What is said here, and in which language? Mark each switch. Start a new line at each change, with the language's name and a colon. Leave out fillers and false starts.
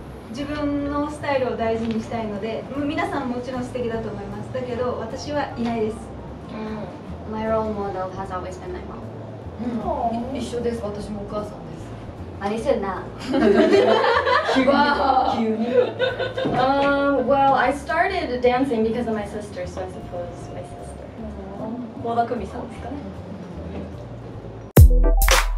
Japanese: 自分のスタイルを大事にしたいので、もう皆さんもちろん素敵だと思います。だけど私はいないです。
English: My role model has always been my mom.
Japanese: 一緒です、私もお母さんです。アリセナ急に、
English: Well, I started dancing because of my sister, so I suppose my sister.
Japanese: 和田久美さんですかね。